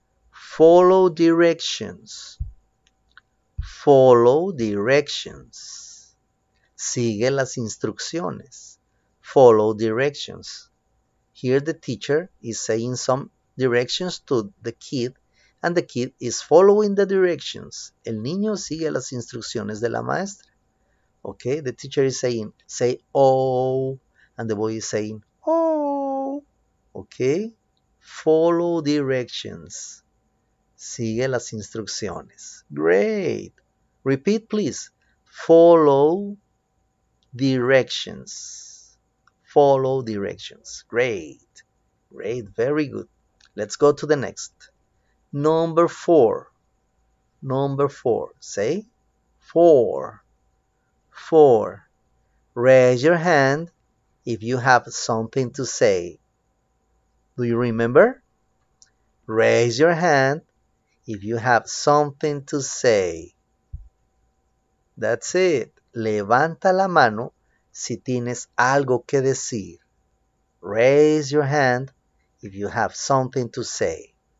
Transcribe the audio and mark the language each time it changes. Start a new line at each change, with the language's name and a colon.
English: Follow directions. Follow directions.
Spanish: Sigue las instrucciones.
English: Follow directions. Here the teacher is saying some directions to the kid, and the kid is following the directions.
Spanish: El niño sigue las instrucciones de la maestra.
English: Okay, the teacher is saying, say, oh, and the boy is saying, oh. Okay, follow directions.
Spanish: Sigue las instrucciones.
English: Great. Repeat, please. Follow directions. Follow directions. Great. Great. Very good. Let's go to the next. Number four. Number four. Say four. Four. Raise your hand if you have something to say. Do you remember? Raise your hand if you have something to say. That's it.
Spanish: Levanta la mano si tienes algo que decir.
English: Raise your hand if you have something to say.